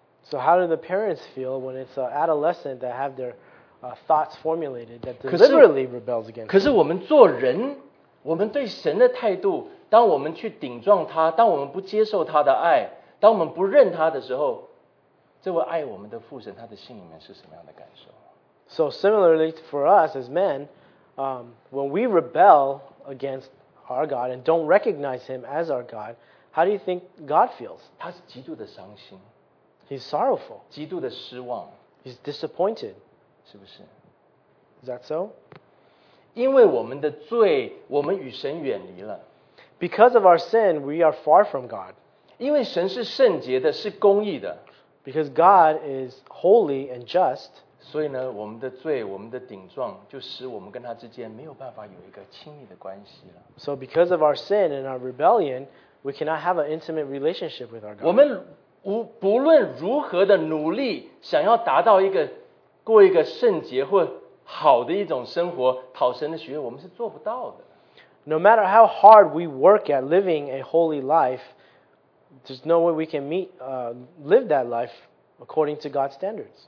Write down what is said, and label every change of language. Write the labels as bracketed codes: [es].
[en] So how do the parents feel when it's an adolescent that have their thoughts formulated that deliberately rebels against? [zh] 可是我们做人，我们对神的态度，当我们去顶撞他，当我们不接受他的爱，当我们不认他的时候，这位爱我们的父神，他的心里面是什么样的感受？ [en] So similarly for us as men, when we rebel against our God and don't recognize Him as our God, how do you think God feels? [zh] 他是极度的伤心。 [en] He's sorrowful. [zh] 极度的失望。 [en] He's disappointed. [zh] 是不是？ [en] Is that so? [zh] 因为我们的罪，我们与神远离了。 [en] Because of our sin, we are far from God. [zh] 因为神是圣洁的，是公义的。 [en] Because God is holy and just. [zh] 所以呢，我们的罪，我们的顶撞，就使我们跟他之间没有办法有一个亲密的关系了。 [en] So because of our sin and our rebellion, we cannot have an intimate relationship with our God. [zh] 我们不论如何的努力，想要达到一个过一个圣洁或好的一种生活，讨神的喜悦，我们是做不到的。 [en] No matter how hard we work at living a holy life, there's no way we can live that life according to God's standards.